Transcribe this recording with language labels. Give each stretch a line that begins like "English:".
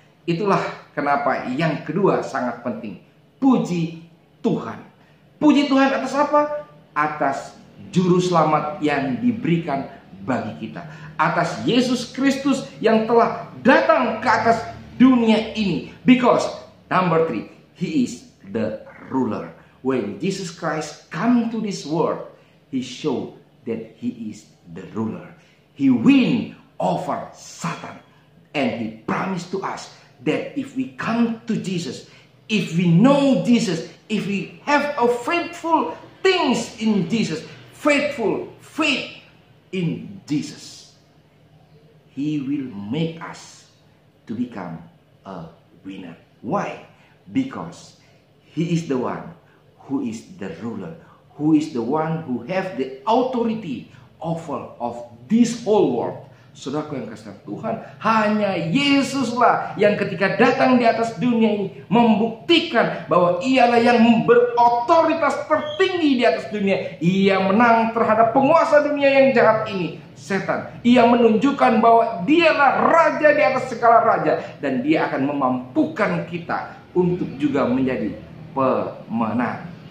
Indonesian: Itulah kenapa yang kedua sangat penting. Puji Tuhan. Puji Tuhan atas apa? Atas juru selamat yang diberikan bagi kita. Atas Yesus Kristus yang telah datang ke atas dunia ini.
English: Because number three, He is the ruler. When Jesus Christ come to this world, He show that He is the ruler. He win over Satan. And He promised to us that if we come to Jesus, if we know Jesus, if we have a faithful things in Jesus, faithful faith in Jesus, He will make us to become a winner. Why? Because He is the one who is the ruler, who is the one who have the authority over of this whole world.
Indonesian: Saudaraku yang kasih dalam Tuhan, hanya Yesuslah yang ketika datang di atas dunia ini membuktikan bahwa Ialah yang berotoritas tertinggi di atas dunia. Ia menang terhadap penguasa dunia yang jahat ini, setan. Ia menunjukkan bahwa Dialah raja di atas segala raja, dan Dia akan memampukan kita untuk juga menjadi pemenang.